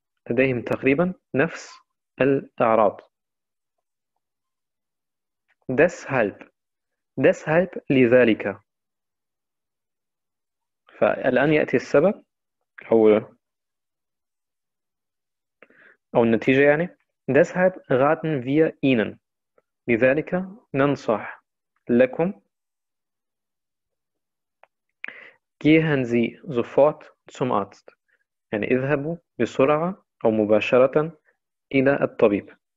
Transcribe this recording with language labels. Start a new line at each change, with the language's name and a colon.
Arabic: لديهم تقريبا نفس الأعراض.
German: Deshalb لذلك.
Arabic: فالآن يأتي السبب أو النتيجة يعني.
German: Deshalb raten wir Ihnen.
Arabic: لذلك ننصح لكم.
German: Gehen Sie sofort zum Arzt.
Arabic: يعني اذهبوا بسرعة أو مباشرة إلى الطبيب.